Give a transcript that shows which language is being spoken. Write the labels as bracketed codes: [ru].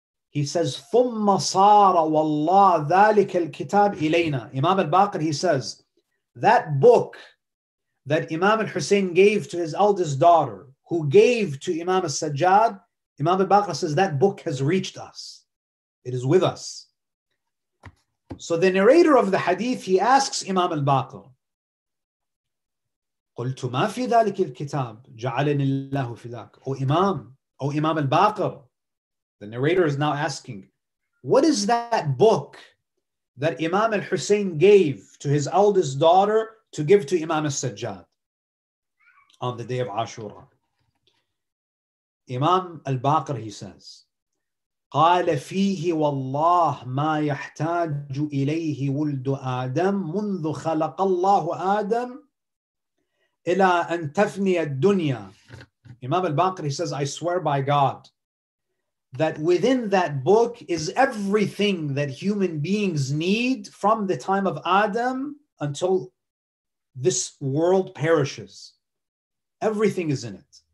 [en] He says, [ar] ثُمَّ صَارَ وَاللَّهُ ذَلِكَ الْكِتَابِ إِلَيْنَا. [en] Imam al-Baqir, he says, that book that Imam al-Hussein gave to his eldest daughter, who gave to Imam al-Sajjad, Imam al-Baqir says, that book has reached us. It is with us. So the narrator of the hadith, he asks Imam al-Baqir, [ar] قُلْتُ مَا فِي ذَلِكِ الْكِتَابِ جَعَلَنِ اللَّهُ فِي ذَلِكَ. [en] O Imam al-Baqir, the narrator is now asking, what is that book that Imam al-Hussein gave to his eldest daughter to give to Imam al-Sajjad on the day of Ashura? Imam al-Baqir, he says, [ar] قَالَ فِيهِ وَاللَّهُ مَا يَحْتَاجُ إِلَيْهِ وُلْدُ آدَمُ مُنْذُ خَلَقَ اللَّهُ آدَمُ إِلَىٰ أَنْ تَفْنِيَ الدُّنْيَا. [en] Imam al-Baqir, he says, I swear by God that within that book is everything that human beings need from the time of Adam until this world perishes. Everything is in it.